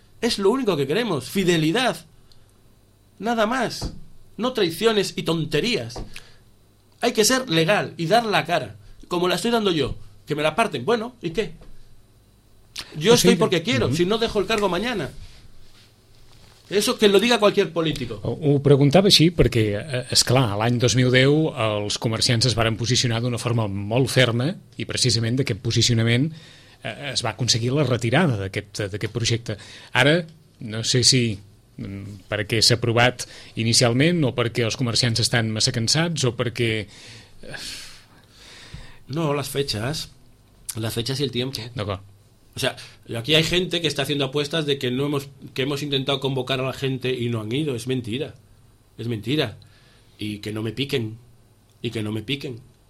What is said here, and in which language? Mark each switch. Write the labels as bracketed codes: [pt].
[es] Es lo único que queremos, fidelidad. Nada más. No traiciones y tonterías. Hay que ser legal y dar la cara, como la estoy dando yo, que me la parten. Bueno, ¿y qué? Yo estoy porque quiero, si no dejo el cargo mañana. Eso que lo diga cualquier político. [ca] Ho preguntava així perquè, esclar, l'any 2010 els comerciants es varen posicionar d'una forma molt ferma i precisament d'aquest posicionament es va aconseguir la retirada d'aquest projecte. Ara, no sé si perquè s'ha aprovat inicialment o perquè els comerciants estan massa cansats o perquè... [es] No, las fechas y el tiempo. [ca] D'acord. [es] O sea, aquí hay gente que está haciendo apuestas de que no hemos, que hemos intentado convocar a la gente y no han ido. Es mentira. Es mentira. Y que no me piquen. Y que no me piquen.